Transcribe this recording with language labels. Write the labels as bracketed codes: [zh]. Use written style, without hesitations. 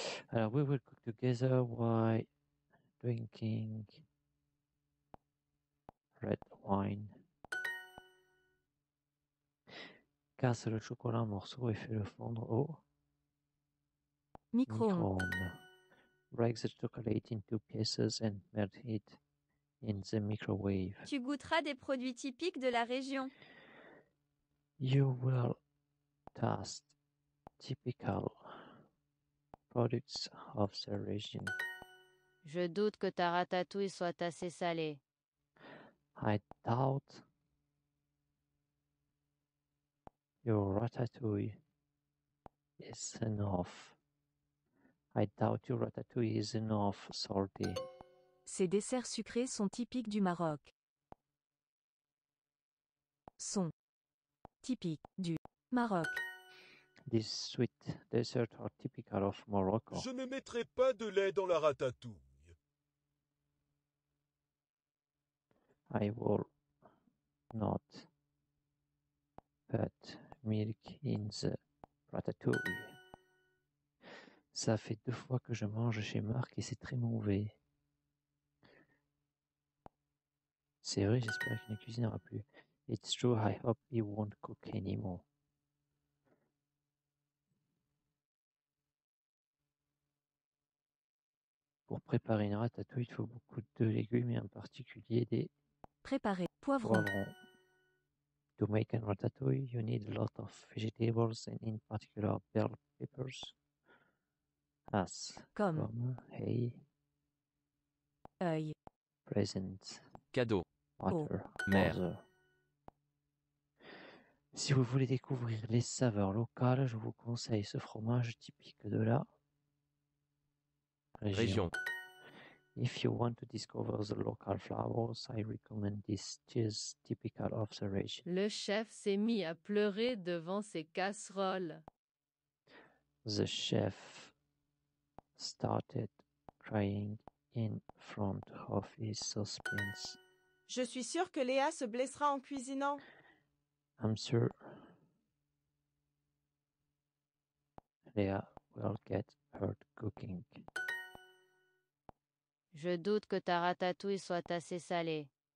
[en] Alors, we will cook together while drinking red wine. [fr] Casse le chocolat en morceaux et fais-le fondre au micro-ondes. [en] Break the chocolate into pieces and melt it. In the microwave. [fr] Tu goûteras des produits typiques de la région. [en] You will taste typical products of the region. [fr] Je doute que ta ratatouille soit assez salée. [en] I doubt your ratatouille is enough. I doubt your ratatouille is enough, salty. [fr] Ces desserts sucrés sont typiques du Maroc. Sont typiques du Maroc. [en] These sweet desserts are typical of Morocco. [fr] Je ne mettrai pas de lait dans la ratatouille. [en] I will not put milk in the ratatouille. [fr] Ça fait deux fois que je mange chez Marc et c'est très mauvais. C'est vrai, j'espère qu'il ne cuisinera plus. [en] It's true, I hope he won't cook anymore. [fr] Pour préparer une ratatouille, il faut beaucoup de légumes et en particulier des... Préparer poivron. [en] To make a ratatouille, you need a lot of vegetables and in particular bell peppers. As [fr] comme [en] hay, [fr] œil, [en] present, [fr] cadeau, [en] water, [fr] mer. [en] Water. [fr] Si vous voulez découvrir les saveurs locales, je vous conseille ce fromage typique de la région. Région. [en] If you want to discover the local flavors, I recommend this cheese typical of the region. [fr] Le chef s'est mis à pleurer devant ses casseroles. [en] The chef started crying in front of his saucepans. [fr] Je suis sûr que Léa se blessera en cuisinant. [en] I'm sure Léa will get hurt cooking. [fr] Je doute que ta ratatouille soit assez salée.